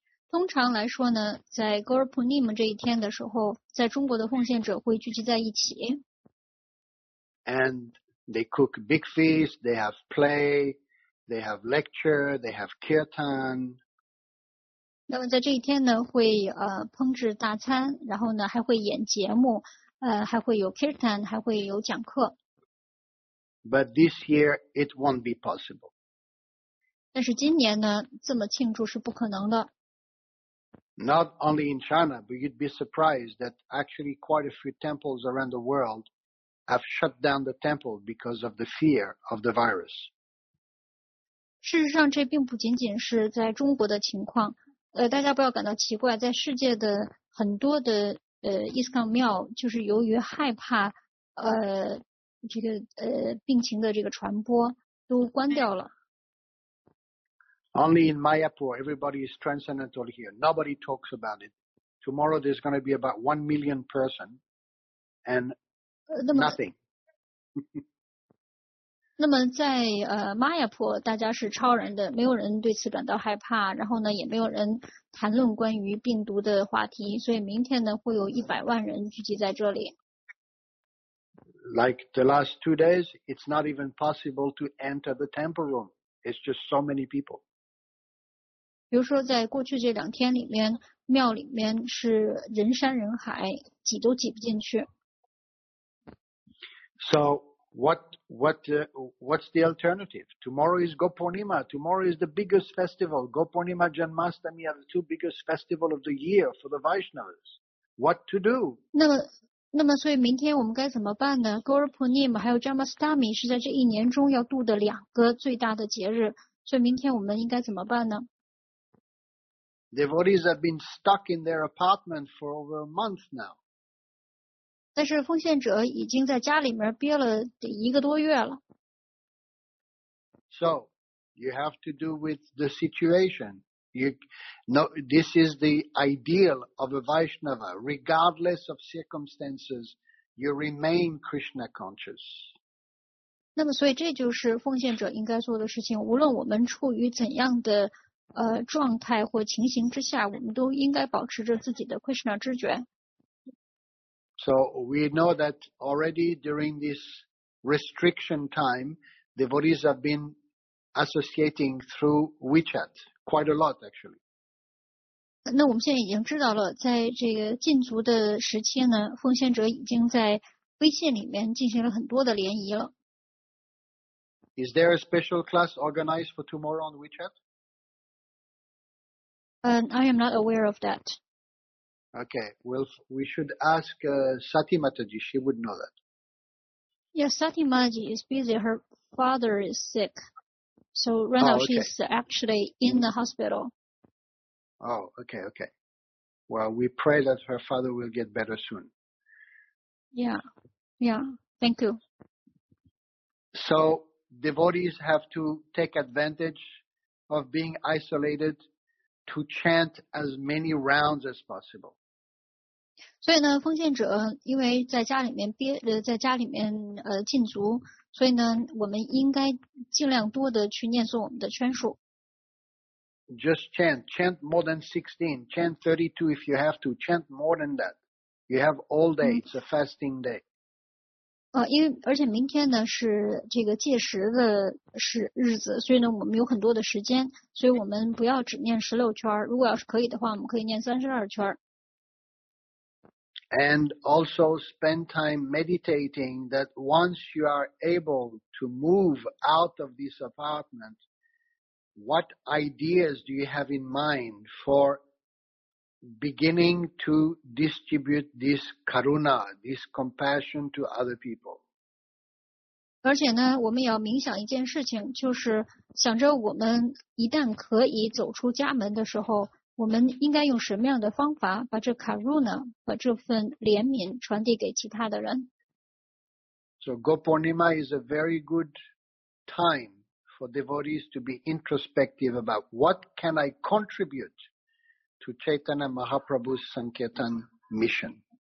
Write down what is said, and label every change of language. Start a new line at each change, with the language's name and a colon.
Chinese: 通常来说呢，在 Gopurnima 这一天的时候，在中国的奉献者会聚集在一起。
English: And they cook big feast, they have play, they have lecture, they have kirtan.
Chinese: 那么在这一天呢，会烹制大餐，然后呢还会演节目，还会有 kirtan, 还会有讲课。
English: But this year it won't be possible.
Chinese: 但是今年呢，这么庆祝是不可能的。
English: Not only in China, but you'd be surprised that actually quite a few temples around the world have shut down the temple because of the fear of the virus.
Chinese: 事实上这并不仅仅是在中国的情况。大家不要感到奇怪，在世界的很多的伊斯兰庙就是由于害怕这个病情的这个传播都关掉了。
English: Only in Mayapur, everybody is transcendental here. Nobody talks about it. Tomorrow there's going to be about 1 million person and nothing.
Chinese: 那么在Mayapur, 大家是超人的，没有人对此感到害怕，然后呢也没有人谈论关于病毒的话题，所以明天呢会有100万人聚集在这里。
English: Like the last 2 days, it's not even possible to enter the temple room. It's just so many people.
Chinese: 比如说在过去这两天里面庙里面是人山人海挤都挤不进去。
English: So, what's the alternative? Tomorrow is Gopurnima. Tomorrow is the biggest festival. Gopurnima Janmashtami are the two biggest festival of the year for the Vaishnavas. What to do?
Chinese: 那么所以明天我们该怎么办呢 ?Gopurnima 还有 Janmashtami 是在这一年中要度的两个最大的节日。所以明天我们应该怎么办呢
English: Devotees have been stuck in their apartment for over a month now.
Chinese: 但是奉献者已经在家里面憋了得一个多月了。
English: So, you have to do with the situation. You know, this is the ideal of a Vaishnava. Regardless of circumstances, you remain Krishna conscious.
Chinese: 那么所以这就是奉献者应该做的事情。无论我们处于怎样的状态或情形之下，我们都应该保持着自己的 Krishna 知觉。
English: So we know that already during this restriction time, devotees have been associating through WeChat quite a lot, actually.
Chinese: 那我们现在已经知道了，在这个禁足的时期呢，奉献者已经在微信里面进行了很多的联谊了。
English: Is there a special class organized for tomorrow on WeChat? I am not aware of that. Okay, well, we should ask Sati Mataji. She would know that. Yes, Sati Mataji is busy. Her father is sick. So right now she's actually in the hospital. Oh, okay. Well, we pray that her father will get better soon. Yeah, thank you. So devotees have to take advantage of being isolated to chant as many rounds as possible.
Chinese: 所以呢，奉献者因为在家里面憋，在家里面禁足，所以呢，我们应该尽量多的去念诵我们的圈数。
English: Just chant more than 16, chant 32 if you have to, chant more than that. You have all day, it's a fasting day.
Chinese: 因为而且明天呢是这个戒食的日子，所以呢我们有很多的时间，所以我们不要只念16圈，如果要是可以的话，我们可以念32圈。
English: And also spend time meditating that once you are able to move out of this apartment,What ideas do you have in mind for beginning to distribute this karuna, this compassion to other people?
Chinese: 而且呢，我们也要冥想一件事情，就是想着我们一旦可以走出家门的时候，我们应该用什么样的方法把这karuna，把这份怜悯传递给其他的人。
English: So Gopurnima is a very good time. For devotees to be introspective about what can I contribute to Chaitanya Mahaprabhu's Sankirtan mission.